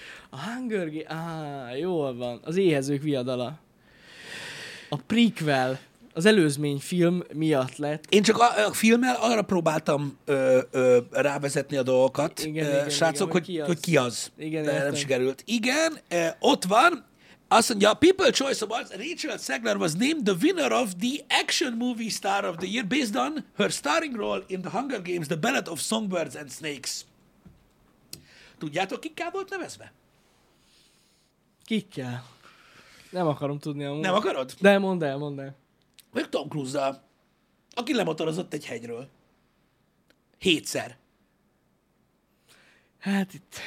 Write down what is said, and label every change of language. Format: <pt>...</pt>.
<hu>A Hunger Games. Jól van. Az éhezők viadala. A prequel. Az előzmény film miatt lett. Én csak a filmmel arra próbáltam rávezetni a dolgokat, srácok, hogy ki az. Igen, nem sikerült. Igen, ott van. Azt mondja,</hu> <en>a People's Choice Awards, Rachel Zegler was named the winner of the action movie star of the year based on her starring role in the Hunger Games, The Ballad of Songbirds and Snakes.</en> <hu>Tudjátok, kikkel volt nevezve? Kikkel? Nem akarom tudni amúgy. Nem akarod? De mondd el. Meg Tom Cruise-zal, aki lemotorozott egy hegyről. 7-szer. Hát itt...</hu>